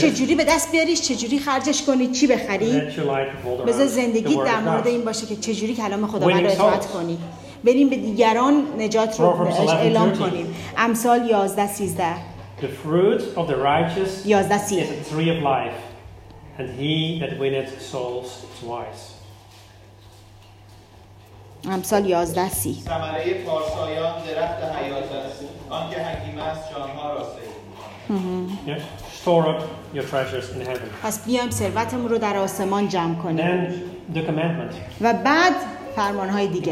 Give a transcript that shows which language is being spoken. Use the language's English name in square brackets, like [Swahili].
[Persian] چه جوری به دست بیاریش, چه جوری خرجش کنی, چی بخری, بذار زندگیت در مورد این باشه که چه جوری کلام خداوند رو اطاعت کنی. بریم به دیگران نجات رو اعلام کنیم. امثال 11:13. [English] The fruit of the righteous 11:13. is a tree of life, and he that winneth souls is wise. [Persian] امثال 11:30. ثمره پارسایان درخت حیات است, آنکه حکیم است جانها را سید. [English] Yes. Store up your treasures in heaven. [Persian] پس بیایم ثروتمون رو در آسمان جمع کنیم. [English] Then the commandment. [Persian] و بعد فرمانهای دیگه.